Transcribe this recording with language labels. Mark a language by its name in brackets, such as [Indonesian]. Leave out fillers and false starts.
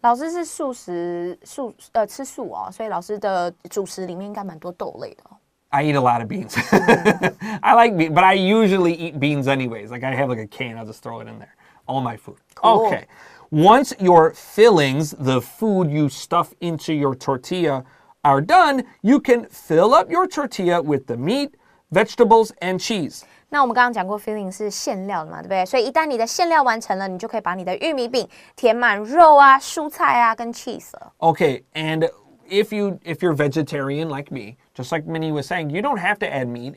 [Chinese] 老师是素食素、吃素哦，所以老师的主食里面应该蛮多豆类的。 [English] I eat a lot of beans. I like beans, but I usually eat beans anyways. Like I have like a can, I'll just throw it in there. All my food. Cool. Okay. Once your fillings, the food you stuff into your tortilla, are done, you can fill up your tortilla with the meat, vegetables, and cheese. [Chinese] 那我们刚刚讲过 filling 是馅料了嘛，对不对？所以一旦你的馅料完成了，你就可以把你的玉米饼填满肉啊、蔬菜啊跟 cheese 了。 [English] Okay, and if you're vegetarian like me, just like Minnie was saying, you don't have to add meat.